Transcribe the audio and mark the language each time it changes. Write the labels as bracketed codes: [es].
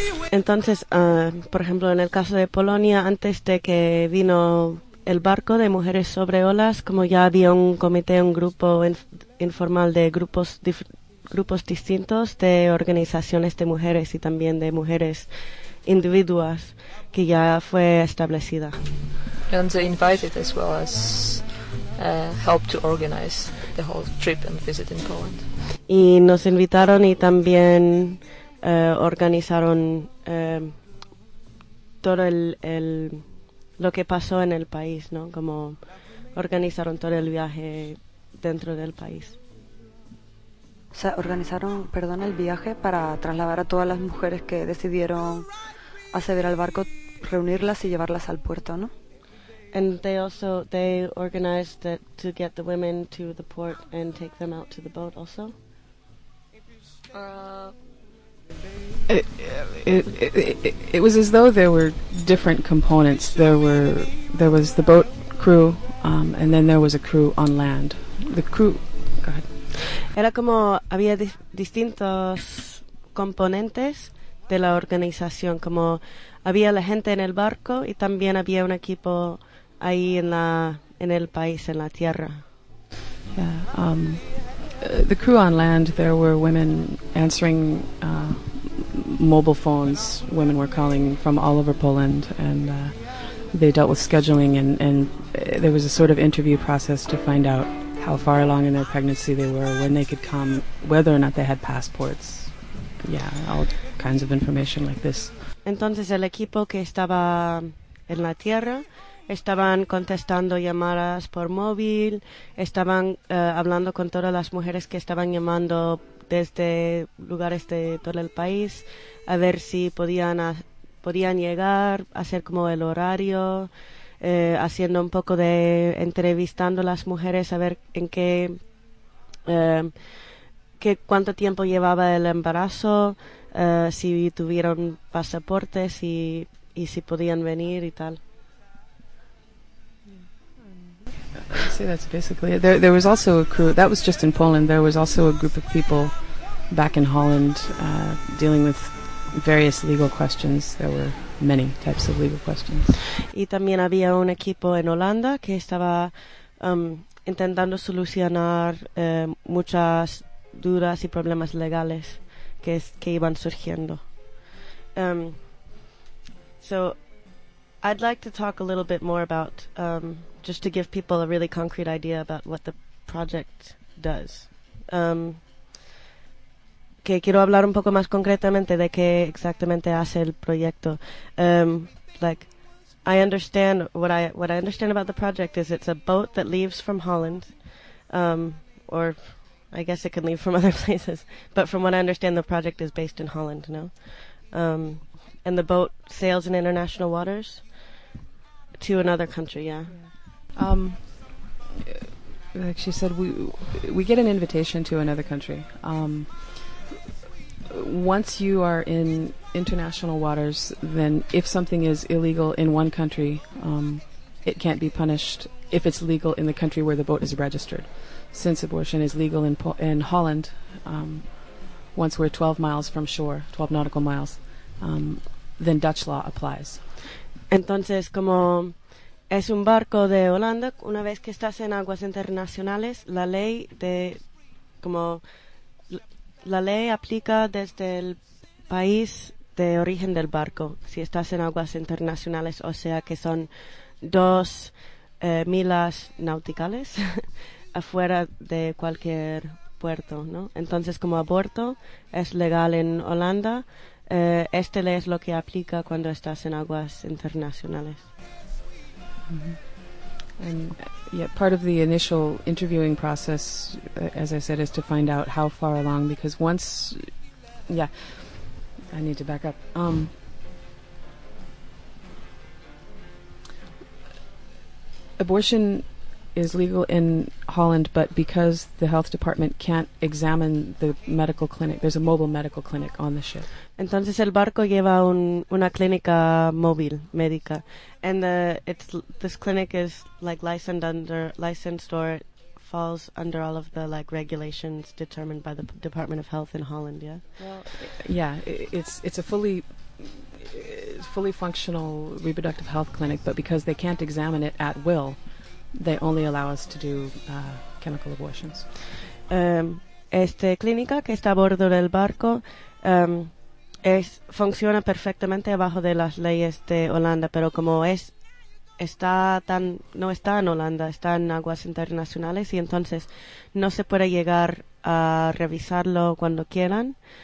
[es] Entonces, por ejemplo, en el caso de Polonia, antes de que vino el barco de Mujeres sobre Olas, como ya había un comité, un grupo informal de grupos distintos de organizaciones de mujeres y también de mujeres individuas que ya fue establecida. [en] And they invited as well as help to organize the whole trip and visit in Poland. [es] Y nos invitaron y también organizaron todo el lo que pasó en el país, ¿no? Como organizaron todo el viaje dentro del país. O sea, organizaron, perdón, el viaje para trasladar a todas las mujeres que decidieron acceder al barco, reunirlas y llevarlas al puerto, ¿no? [en] And they organized it to get the women to the port and take them out to the boat also. It was as though there were different components. There was the boat crew, and then there was a crew on land. The crew, go ahead. [es] Era como había distintos componentes de la organización, como había la gente en el barco y también había un equipo ahí en el país, en la tierra. [en] Yeah, the crew on land, there were women answering mobile phones. Women were calling from all over Poland, and they dealt with scheduling, and there was a sort of interview process to find out how far along in their pregnancy they were, when they could come, whether or not they had passports. Yeah, all kinds of information like this. [es] Entonces el equipo que estaba en la tierra estaban contestando llamadas por móvil, estaban hablando con todas las mujeres que estaban llamando desde lugares de todo el país a ver si podían llegar, hacer como el horario, haciendo un poco de entrevistando a las mujeres a ver en qué cuánto tiempo llevaba el embarazo, si tuvieron pasaportes y si podían venir y tal. [en] I'd say that's basically it. There was also a crew, that was just in Poland, there was also a group of people back in Holland dealing with various legal questions. There were many types of legal questions. [es] Y también había un equipo en Holanda que estaba intentando solucionar muchas dudas y problemas legales que iban surgiendo. [en] So I'd like to talk a little bit more about just to give people a really concrete idea about what the project does. [es] Que quiero hablar un poco más concretamente de qué exactamente hace el proyecto. [en] I understand about the project is it's a boat that leaves from Holland, or I guess it can leave from other places, but from what I understand, the project is based in Holland, no? And the boat sails in international waters to another country, yeah. Like she said, we get an invitation to another country. Once you are in international waters, then if something is illegal in one country, it can't be punished if it's legal in the country where the boat is registered. Since abortion is legal in Holland, once we're 12 miles from shore, 12 nautical miles, then Dutch law applies. [es] Entonces, como es un barco de Holanda, una vez que estás en aguas internacionales, la ley de como la ley aplica desde el país de origen del barco. Si estás en aguas internacionales, o sea que son 2 millas náuticas afuera de cualquier puerto, ¿no? Entonces, como aborto es legal en Holanda, esta ley es lo que aplica cuando estás en aguas internacionales. Mm-hmm. [en] And yeah, part of the initial interviewing process, as I said, is to find out how far along, because once, yeah, I need to back up. Abortion is legal in Holland, but because the health department can't examine the medical clinic, there's a mobile medical clinic on the ship. [es] Entonces el barco lleva una clínica móvil médica, [en] and this clinic is like licensed or falls under all of the like regulations determined by the Department of Health in Holland. Yeah. Well, yeah, it's a fully functional reproductive health clinic, but because they can't examine it at will, they only allow us to do chemical abortions. [es] Esta clínica que está a bordo del barco funciona perfectamente bajo de las leyes de Holanda, pero como no está en Holanda, está en aguas internacionales, y entonces no se puede llegar a revisarlo cuando quieran.